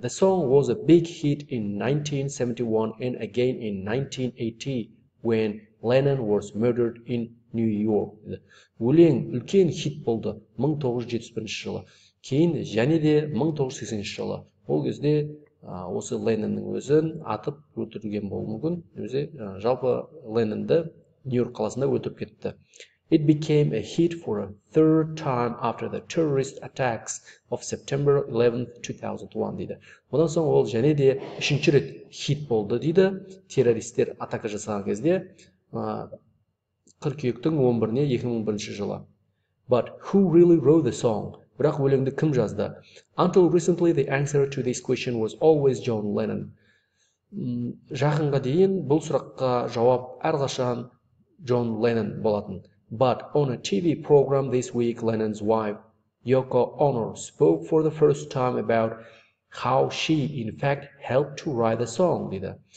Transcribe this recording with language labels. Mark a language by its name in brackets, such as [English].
[English] The song was a big hit in 1971 and again in 1980 when Lennon was murdered in New York. [Kazakh] Өлең үлкен хит болды 1971 жылы. Кейін және де 1980 жылы. Ол кезде осы Леннонның өзін атып өлтірген болуы мүмкін. Өзі жалпы Леннонды Нью-Йорк қаласында өлтіріп кетті. [English] It became a hit for a third time after the terrorist attacks of September 11, 2001 [Kazakh] дейді. Одан соң ол және де үшінші рет хит болды дейді. Террористер атака жасаған кезде 42-тің 11-іне 2001 жылы. [English] But who really wrote the song? [Kazakh] Бірақ өлеңді кім жазды? [English] Until recently the answer to this question was always John Lennon. [Kazakh] Жақынға дейін бұл сұраққа жауап әрқашан John Lennon болатын. [English] But on a TV program this week, Lennon's wife, Yoko Ono, spoke for the first time about how she, in fact, helped to write the song, [Kazakh] дейді.